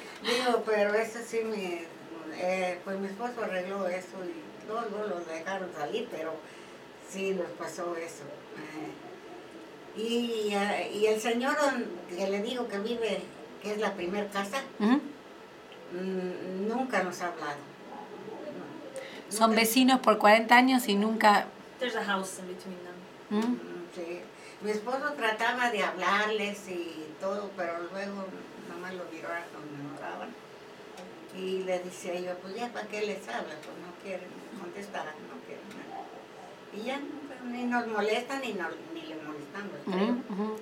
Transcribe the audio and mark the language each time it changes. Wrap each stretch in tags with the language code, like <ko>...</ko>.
<es>digo, pero eso sí, pues mi esposo arregló eso y todos los dejaron salir, pero sí nos pasó eso. Y el señor que le digo que vive, que es la primer casa, nunca nos ha hablado. Son nunca. Vecinos por 40 años y nunca.</es> <en>There's a house in between them.</en> <es>Sí. Mi esposo trataba de hablarles y todo, pero luego nomás lo ignoraban. Y le decía yo, pues ya, ¿para qué les habla? Pues no quieren contestar, no quieren nada. Y ya ni nos molestan ni le molestamos.</es>